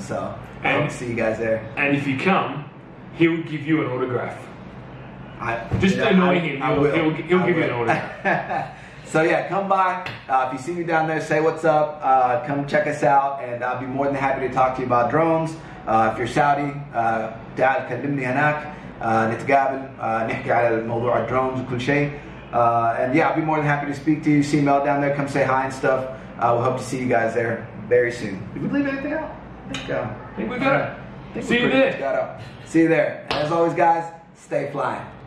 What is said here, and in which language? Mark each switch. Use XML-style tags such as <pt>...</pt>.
<en>So I hope to see you guys there. And if you come, he'll give you an autograph. He'll give you an autograph. So yeah, come by. If you see me down there, say what's up. Come check us out, and I'll be more than happy to talk to you about drones. If you're Saudi,</en> <ar>تعال كلمني هناك نتقابل نحكي على الموضوع الدرونز وكل شيء.</ar> <en>And yeah, I'll be more than happy to speak to you. See Mel down there. Come say hi and stuff. We'll hope to see you guys there very soon. Did we leave anything out? I think we got it. See you there. And as always, guys, stay flying.</en>